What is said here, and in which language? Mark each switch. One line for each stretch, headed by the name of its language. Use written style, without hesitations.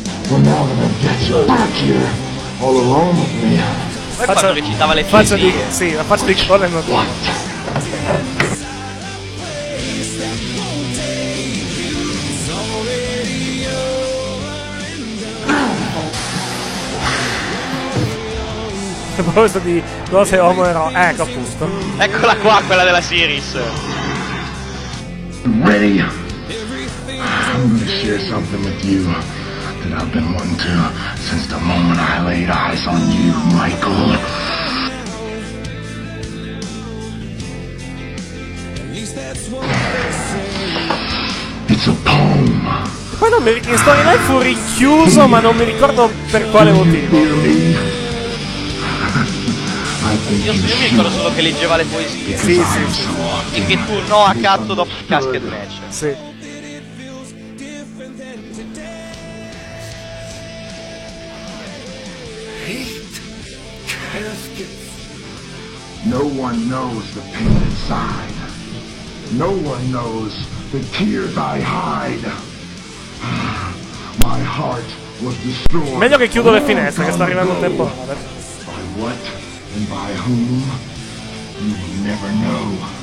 English: Well, now that I've got you back here, all alone with me.
Italian: Faccia di, sì, la faccia di Cole è notata. A proposito di cose homo ero, ecco appunto. Eccola qua, quella della Siris.
English: I'm ready. I'm gonna share something with you. That I've been wanting to since the moment I laid eyes on you, Michael. At least that's what they say. It's a poem.
Italian: Poi non mi ricordo, in storyline fu richiuso, ma non mi ricordo per quale motivo. Io mi ricordo solo che leggeva le poesie. Sì, sì. E che tu no a cazzo dopo il casket match. Sì.
English: No one knows the pain inside. No one knows the tears I hide. My heart was destroyed.
Italian: Meglio che chiudo le finestre, che sta arrivando il tempo.
English: By what and by whom, you will never know.